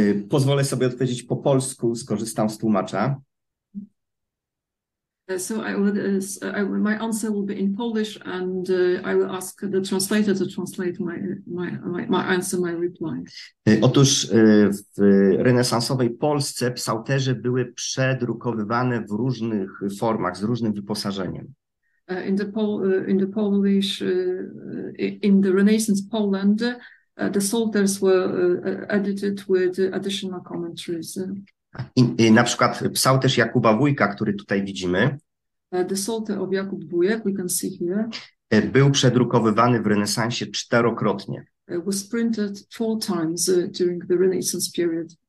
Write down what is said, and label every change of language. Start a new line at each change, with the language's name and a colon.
Polish: Pozwolę sobie odpowiedzieć po polsku, skorzystam z tłumacza.
English: My answer will be in Polish, and I will ask the translator to translate my answer, my reply.
Polish: Otóż w renesansowej Polsce psalterze były przedrukowywane w różnych formach, z różnym wyposażeniem.
English: In the Renaissance Poland, the psalters were edited with additional commentaries.
Polish: Na przykład psalterz Jakuba Wujka, który tutaj widzimy.
English: The Psalter of Jakub Wujek, we can see here.
Polish: Był przedrukowywany w renesansie czterokrotnie.
English: It was printed four times during the Renaissance period.